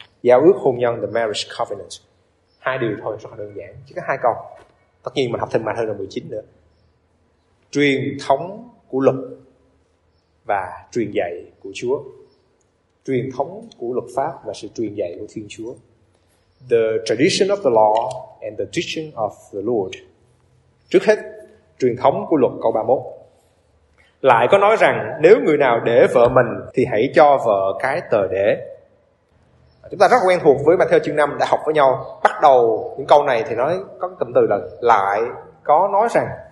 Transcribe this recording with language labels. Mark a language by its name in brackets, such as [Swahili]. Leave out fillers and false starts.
[Vietnamese] Giao ước hôn nhân, [English] the marriage covenant. [Vietnamese] Hai điều thôi, rất là đơn giản, chỉ có hai câu. Tất nhiên mình học thêm Matthew 19 nữa. Truyền thống của luật và truyền dạy của Chúa. Truyền thống của luật pháp và sự truyền dạy của Thiên Chúa. [English] The tradition of the law and the teaching of the Lord. [Vietnamese] Trước hết, truyền thống của luật, câu 31. Lại có nói rằng nếu người nào để vợ mình thì hãy cho vợ cái tờ để. Chúng ta rất quen thuộc với Matthew chương 5 đã học với nhau. Bắt đầu những câu này thì nói có cụm từ là lại có nói rằng.